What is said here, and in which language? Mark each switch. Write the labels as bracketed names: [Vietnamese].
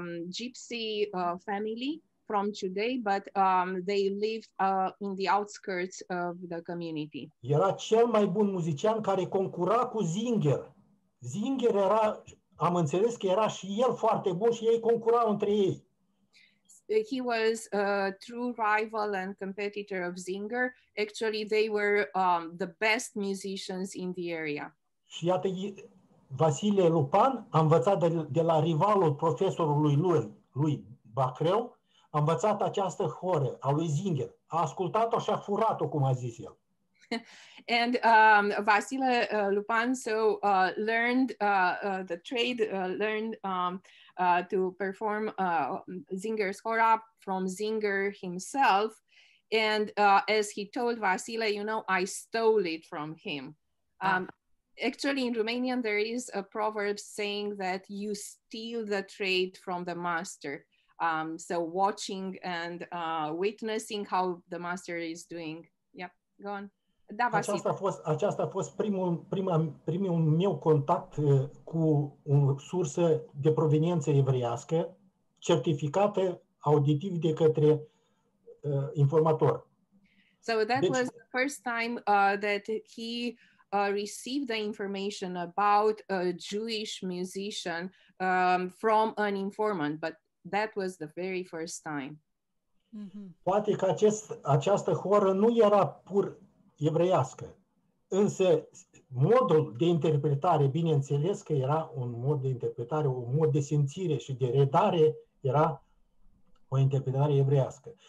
[English] gypsy family from Ciudei, but they lived in the outskirts of the community. [Romanian] Era cel mai bun muzician care concura cu Zinger. Zinger era, am înțeles că era și el foarte bun și ei concurau între ei. [English] He was a true rival and competitor of Zinger. Actually, they were the best musicians in the area. [Romanian] Și iată, Vasile Lupan a învățat de la rivalul profesorului lui Bacreu, a învățat această horă a lui Zinger. A ascultat-o și a furat-o, cum a zis el. [English] And Vasile Lupan so learned the trade, learned to perform Zinger's Hora from Zinger himself. And as he told Vasile, you know, I stole it from him. Actually, in Romanian, there is a proverb saying that you steal the trade from the master. So watching and witnessing how the master is doing. Yep, go on. Da, [Romanian] aceasta a fost primul meu contact cu o sursă de proveniență evreiască certificată auditiv de către informator. [English] So that was the first time that he received the information about a Jewish musician from an informant, but that was the very first time. [Romanian] Poate că această horă nu era pur evreiască. Însă modul de interpretare, bineînțeles că era un mod de interpretare, un mod de simțire și de redare, era o interpretare evrească.